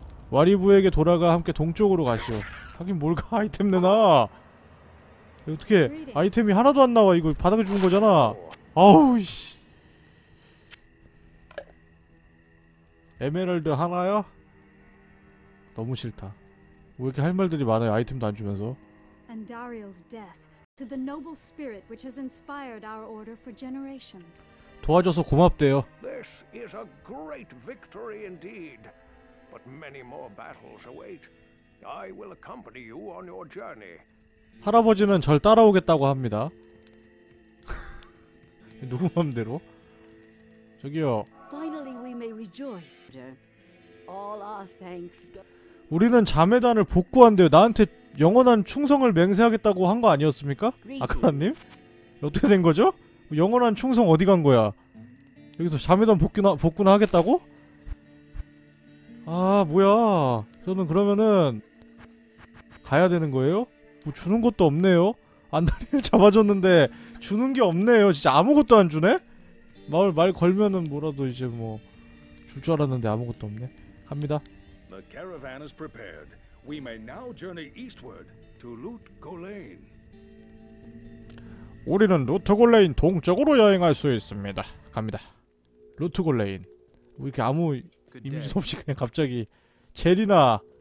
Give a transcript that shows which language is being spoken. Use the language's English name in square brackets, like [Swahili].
[Korean] 와리부에게 돌아가 함께 동쪽으로 가시오. 하긴 뭘까 아이템 내놔. 어떻게 아이템이 하나도 안 나와. 이거 바닥에 죽은 거잖아. 아우 씨. 에메랄드 하나요? 너무 싫다. 왜 이렇게 할 말들이 많아요? 아이템도 안 주면서. [English] And Dariel's death to the noble spirit which has inspired our order for generations. [Korean] 도와줘서 고맙대요. [English] This is a great victory indeed. But many more battles await. I will accompany you on your journey. [Korean] 할아버지는 절 따라오겠다고 합니다. 누구 마음대로? 저기요. [English] Finally we may rejoice. All our thanks go. [Korean] 우리는 자매단을 복구한대요. 나한테 영원한 충성을 맹세하겠다고 한 거 아니었습니까? 아카라님? 어떻게 된 거죠? 영원한 충성 어디 간 거야? 여기서 자매단 복구나 하겠다고? 아 뭐야. 저는 그러면은 가야 되는 거예요? 뭐 주는 것도 없네요? 안다리를 잡아줬는데 주는 게 없네요. 진짜 아무것도 안 주네? 말 걸면은 뭐라도 이제 뭐 줄 줄 알았는데 아무것도 없네. 갑니다. [English] The caravan is prepared. We may now journey eastward to Lut Golain. [Korean] 우리는 루트 골레인 동쪽으로 여행할 수 있습니다. 갑니다. 루트 골레인. 왜 이렇게 아무 임시 없이 그냥 갑자기 제리나.